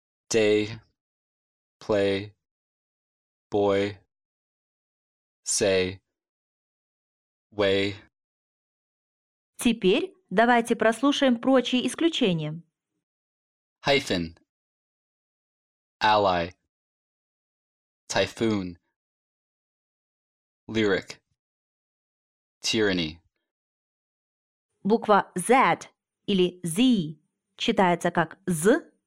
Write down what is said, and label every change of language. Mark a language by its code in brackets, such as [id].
[en] Day, play, boy, say, way. [ru] Теперь давайте прослушаем прочие исключения. [en] Hyphen, ally, typhoon, lyric, tyranny. [ru] Буква Z или Z читается как Z.